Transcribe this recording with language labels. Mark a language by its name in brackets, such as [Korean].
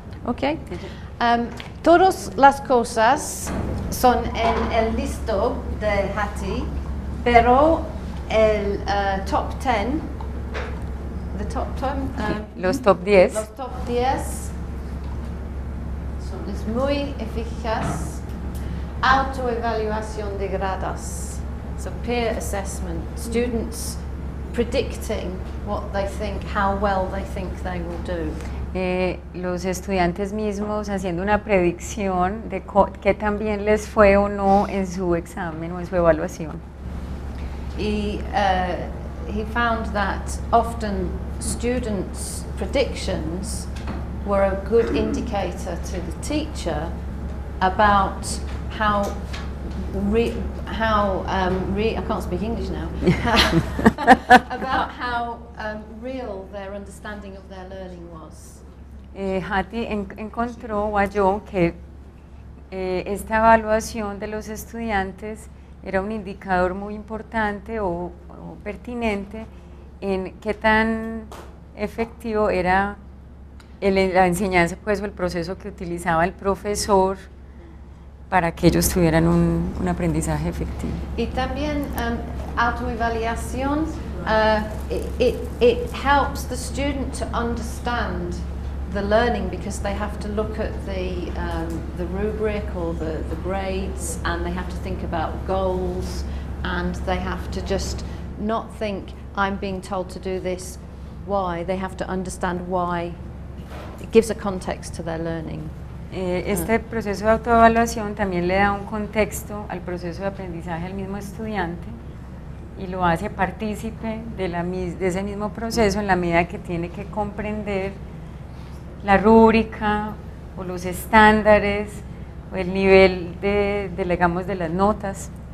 [Spanish] Okay. Todas las cosas son en el listo de Hattie, pero el top 10 son es muy eficaz autoevaluación de gradas, [English] so peer assessment, students predicting what they think, how well they think they will do. [Spanish] Los estudiantes mismos haciendo una predicción de qué tan bien les fue o no en su examen o en su evaluación. [English] He found that often students' predictions were a good indicator to the teacher about how real their understanding of their learning was. [Spanish] Hattie encontró o halló que esta evaluación de los estudiantes era un indicador muy importante o pertinente en qué tan efectivo era la enseñanza, pues, o el proceso que utilizaba el profesor para que ellos tuvieran un aprendizaje efectivo. Y también autoevaluación, [English] it helps the student to understand the learning, because they have to look at the rubric or the grades, and they have to think about goals, and they have to just not think I'm being told to do this. Why? They have to understand why. It gives a context to their learning. [Spanish] Este proceso de autoevaluación también le da un contexto al proceso de aprendizaje al mismo estudiante y lo hace partícipe de ese mismo proceso en la medida que tiene que comprender la rúbrica o los estándares o el nivel digamos, de las notas.